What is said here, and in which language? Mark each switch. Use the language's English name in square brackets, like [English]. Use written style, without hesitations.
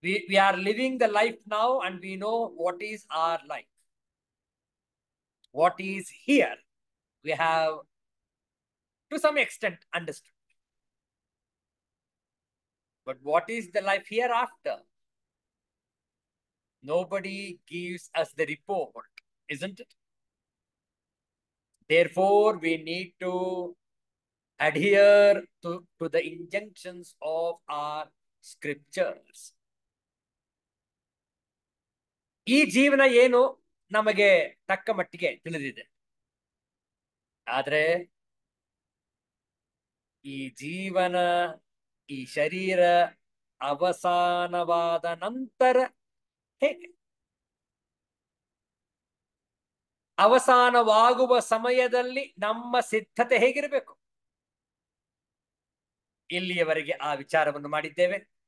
[English] We are living the life now and we know what is our life, what is here we have to some extent understand, but what is the life hereafter, nobody gives us the report. Isn't it? Therefore, we need to adhere to the injunctions of our scriptures. [Kannada] ಈ ಜೀವನ ಏನು ನಮಗೆ ತಕ್ಕ ಮಟ್ಟಿಗೆ ತಿಳಿದಿದೆ, ಆದರೆ ಈ ಜೀವನ ಈ ಶರೀರ ಅವಸಾನವಾದ ನಂತರ ಹೇಗೆ, ಅವಸಾನವಾಗುವ ಸಮಯದಲ್ಲಿ ನಮ್ಮ ಸಿದ್ಧತೆ ಹೇಗಿರಬೇಕು, ಇಲ್ಲಿಯವರೆಗೆ ಆ ವಿಚಾರವನ್ನು ಮಾಡಿದ್ದೇವೆ.